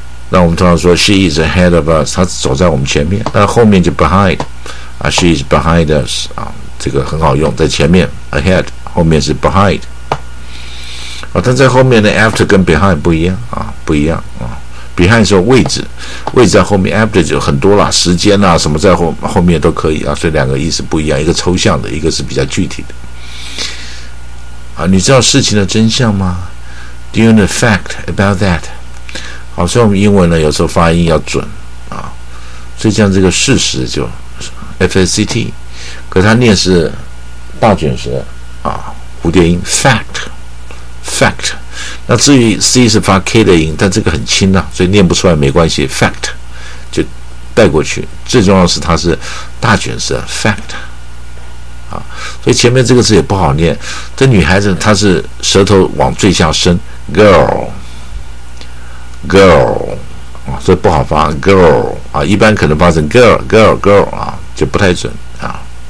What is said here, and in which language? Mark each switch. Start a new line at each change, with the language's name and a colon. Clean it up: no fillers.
Chinese: 那我们通常说
English: she is ahead of us，
Chinese: 她走在我们前面，那后面就 behind
English: she is behind us
Chinese: 这个很好用，在前面 ahead， 后面是 behind 但在后面的 after 跟 behind 不一样不一样 behind 是位置，位置在后面， after 就很多啦，时间啊什么在后面都可以啊，所以两个意思不一样，一个抽象的，一个是比较具体的啊。你知道事情的真相吗？
English: Do you know the fact about that？
Chinese: 好，所以我们英文呢有时候发音要准啊，所以这样这个事实就 FACT， 可它念是大卷舌啊，蝴蝶音 fact。那至于 C 是发 K 的音，但这个很轻啊，所以念不出来没关系， fact 就带过去，最重要是它是大卷舌 fact 啊，所以前面这个字也不好念，这女孩子她是舌头往最下伸 girl 啊，所以不好发 girl 啊，一般可能发成 girl 啊，就不太准啊。